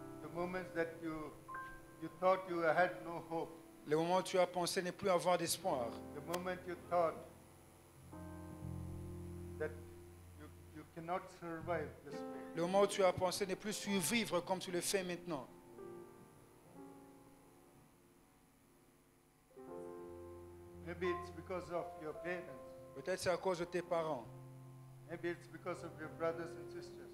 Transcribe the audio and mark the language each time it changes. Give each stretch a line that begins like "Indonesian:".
English: The moments that you thought you had no hope.
French: Le moment où tu as pensé ne plus avoir d'espoir.
English: The moment you thought that you cannot survive this way.
French: Le moment où tu as pensé ne plus survivre comme tu le fais maintenant.
English: Maybe it's because of your parents.
French: Peut-être c'est à cause de tes parents.
English: Maybe it's because of your brothers and sisters.